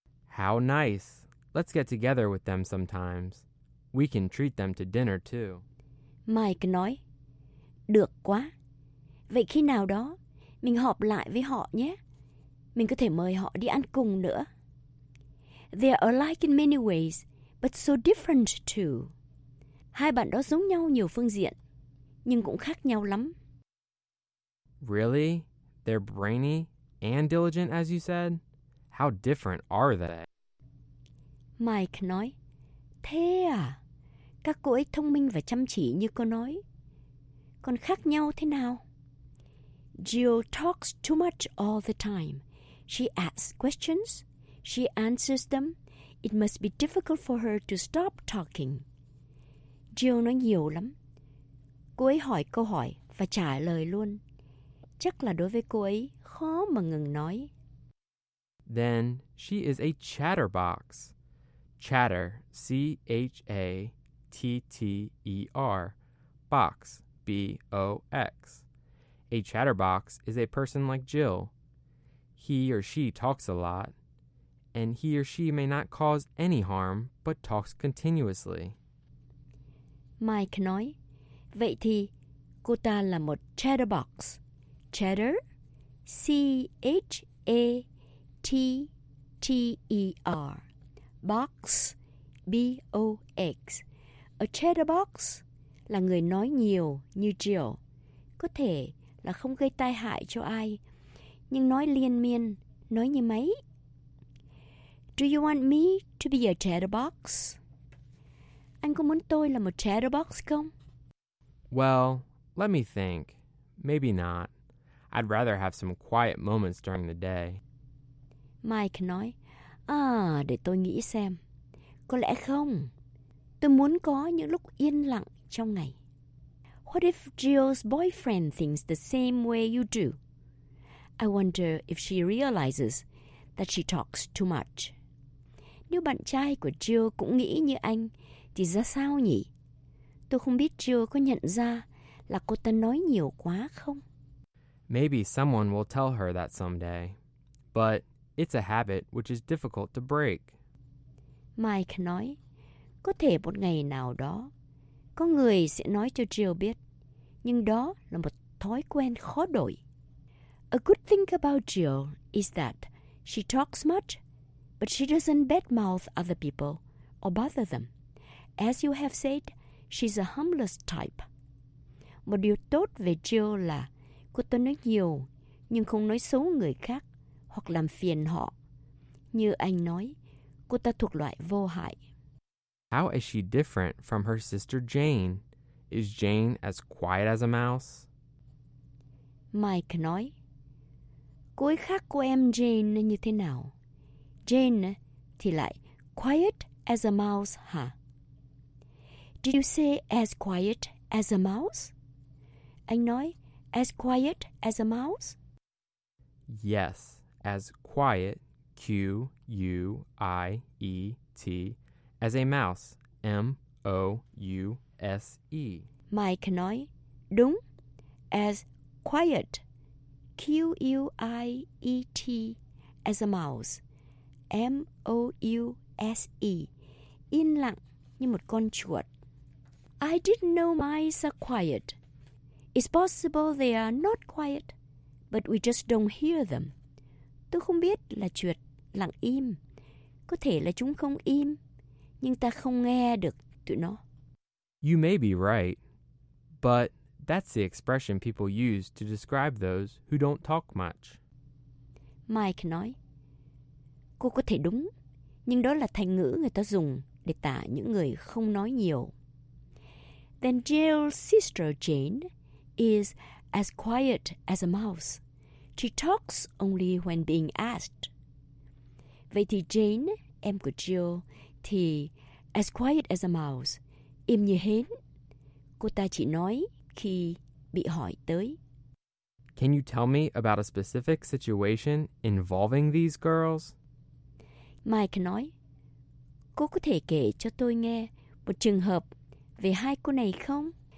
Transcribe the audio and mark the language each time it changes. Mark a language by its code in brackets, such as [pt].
[en] How nice. Let's get together with them sometimes. We can treat them to dinner too. [vi] Mike nói, được quá. Vậy khi nào đó, mình họp lại với họ nhé. Mình có thể mời họ đi ăn cùng nữa. [en] They are alike in many ways, but so different too. [vi] Hai bạn đó giống nhau nhiều phương diện, nhưng cũng khác nhau lắm. [en] Really? They're brainy and diligent, as you said? How different are they? [vi] Mike nói, thế à? Các cô ấy thông minh và chăm chỉ như cô nói. Còn khác nhau thế nào? [en] Jill talks too much all the time. She asks questions. She answers them. It must be difficult for her to stop talking. [vi] Jill nói nhiều lắm. Cô ấy hỏi câu hỏi và trả lời luôn. Chắc là đối với cô ấy khó mà ngừng nói. [en] Then she is a chatterbox. Chatter, C-H-A-T-T-E-R, box, B-O-X. A chatterbox is a person like Jill. He or she talks a lot, and he or she may not cause any harm, but talks continuously. [vi] Mike nói, vậy thì cô ta là một chatterbox. Chatter, C-H-A-T-T-E-R. Box, B-O-X. A chatterbox là người nói nhiều như Jill. Có thể là không gây tai hại cho ai, nhưng nói liên miên, nói như máy. [en] Do you want me to be a chatterbox? [vi] Anh có muốn tôi là một chatterbox không? [en] Well, let me think. Maybe not. I'd rather have some quiet moments during the day. [vi] Mike nói, để tôi nghĩ xem. Có lẽ không. Tôi muốn có những lúc yên lặng trong ngày. [en] What if Jill's boyfriend thinks the same way you do? I wonder if she realizes that she talks too much. [vi] Nếu bạn trai của Jill cũng nghĩ như anh, thì ra sao nhỉ? Tôi không biết Jill có nhận ra là cô ta nói nhiều quá không? [en] Maybe someone will tell her that someday. But it's a habit which is difficult to break. [vi] Mike nói, có thể một ngày nào đó, có người sẽ nói cho Jill biết, nhưng đó là một thói quen khó đổi. [en] A good thing about Jill is that she talks much, but she doesn't badmouth other people or bother them. As you have said, she's a humblest type. [vi] Một điều tốt về Jill là cô ta nói nhiều, nhưng không nói xấu người khác hoặc làm phiền họ. Như anh nói, cô ta thuộc loại vô hại. [en] How is she different from her sister Jane? Is Jane as quiet as a mouse? [vi] Mike nói, cô ấy khác cô em Jane như thế nào? Jane thì lại [en] quiet as a mouse, [vi] hả? [en] Did you say as quiet as a mouse? [vi] Anh nói, [en] as quiet as a mouse? Yes, as quiet, Q-U-I-E-T, as a mouse, M-O-U-S-E. [vi] Mike nói, đúng, [en] as quiet, Q-U-I-E-T, as a mouse, M-O-U-S-E, [vi] yên lặng như một con chuột. [en] I didn't know mice are quiet. It's possible they are not quiet, but we just don't hear them. [vi] Tôi không biết là chuột lặng im. Có thể là chúng không im, nhưng ta không nghe được tụi nó. [en] You may be right, but that's the expression people use to describe those who don't talk much. [vi] Mike nói, cô có thể đúng, nhưng đó là thành ngữ người ta dùng để tả những người không nói nhiều. [en] Then Jill's sister Jane is as quiet as a mouse. She talks only when being asked. [vi] Vậy thì Jane, em của Jill, thì [en] as quiet as a mouse, [vi] im như hến. Cô ta chỉ nói khi bị hỏi tới. [en] Can you tell me about a specific situation involving these girls? [vi] Mike nói, cô có thể kể cho tôi nghe một trường hợp về hai cô này không?